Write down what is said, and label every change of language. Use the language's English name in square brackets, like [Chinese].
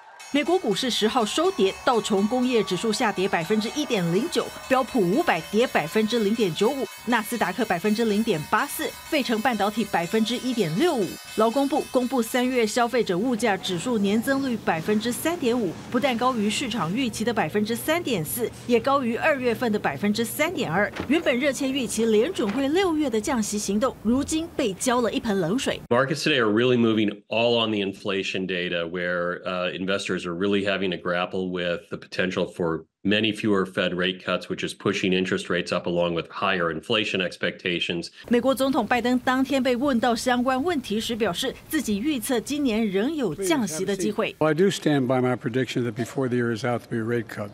[Chinese] 美国股市十号收跌，道琼工业指数下跌1.09%，标普500跌0.95%，纳斯达克0.84%，费城半导体1.65%。劳工部公布三月消费者物价指数年增率3.5%，不但高于市场预期的3.4%，也高于二月份的3.2%。原本热切预期联准会六月的降息行动，如今被浇了一盆冷水。 [English] Markets today are really moving all on the inflation data, where investors are really having to grapple with the potential for many fewer Fed rate cuts, which is pushing interest rates up along with higher inflation expectations. [Chinese] 美国总统拜登当天被问到相关问题时表示，自己预测今年仍有降息的机会。 [English] Well, I do stand by my prediction that before the year is out, there'll be a rate cut.